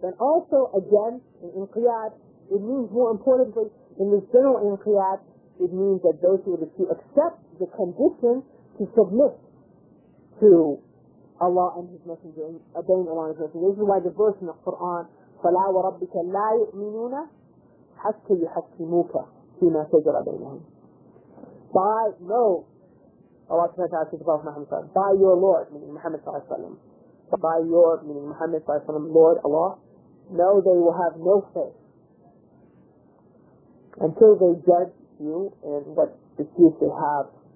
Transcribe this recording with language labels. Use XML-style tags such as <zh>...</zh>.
<en>And also, again, in inqiyad, it means, more importantly, in this general inqiyad, it means that those who are to accept the condition to submit to Allah and His Messenger, obeying Allah and His Messenger. This is why the verse in the Quran</en> <ar>فلا وربك لا يؤمنون حتى يحكموك فيما شجر بينهم.</ar> <en>By no, Allah subhanahu wa ta'ala says above Muhammad sallallahu alayhi wa sallam, by your Lord, meaning Muhammad sallallahu alayhi wa sallam, by your, meaning Muhammad sallallahu alayhi wa sallam, Lord Allah, no, they will have no faith until they judge you and what dispute they have.</en>